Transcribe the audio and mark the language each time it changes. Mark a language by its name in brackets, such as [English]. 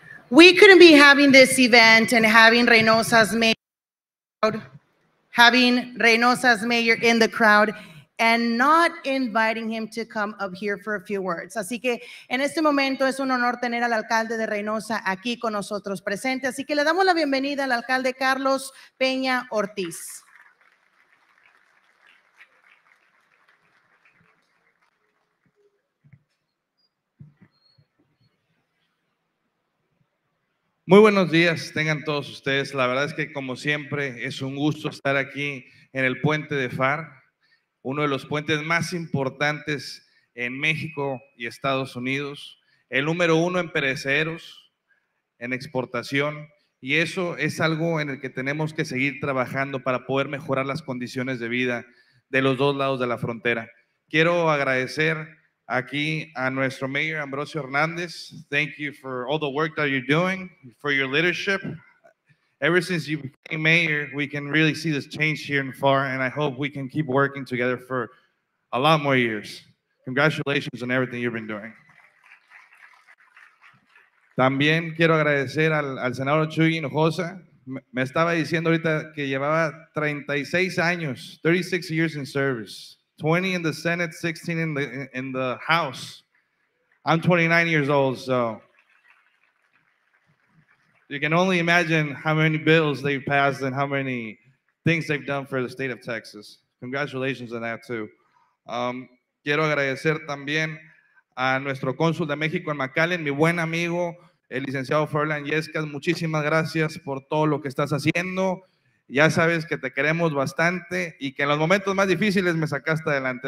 [English] We couldn't be having this event and having Reynosa's mayor, in the crowd and not inviting him to come up here for a few words. [Spanish] Así que en este momento es un honor tener al alcalde de Reynosa aquí con nosotros presente. Así que le damos la bienvenida al alcalde Carlos Peña Ortiz. Muy buenos días, tengan todos ustedes. La verdad es que, como siempre, es un gusto estar aquí en el puente de FAR, uno de los puentes más importantes en México y Estados Unidos, el número uno en pereceros, en exportación, y eso es algo en el que tenemos que seguir trabajando para poder mejorar las condiciones de vida de los dos lados de la frontera. Quiero agradecer aquí a nuestro mayor Ambrosio Hernandez. [English] Thank you for all the work that you're doing, for your leadership. Ever since you became mayor, we can really see this change here in FAR, and I hope we can keep working together for a lot more years. Congratulations on everything you've been doing. [Spanish] También quiero agradecer al senador Chuy Hinojosa. Me estaba diciendo ahorita que llevaba 36 años, [English] 36 years in service. 20 in the Senate, 16 in the House. I'm 29 years old, so you can only imagine how many bills they've passed and how many things they've done for the state of Texas. Congratulations on that too. [Spanish] Quiero agradecer también a nuestro cónsul de México en McAllen, mi buen amigo, el licenciado Ferland Yescas. Muchísimas gracias por todo lo que estás haciendo. Ya sabes que te queremos bastante y que en los momentos más difíciles me sacaste adelante.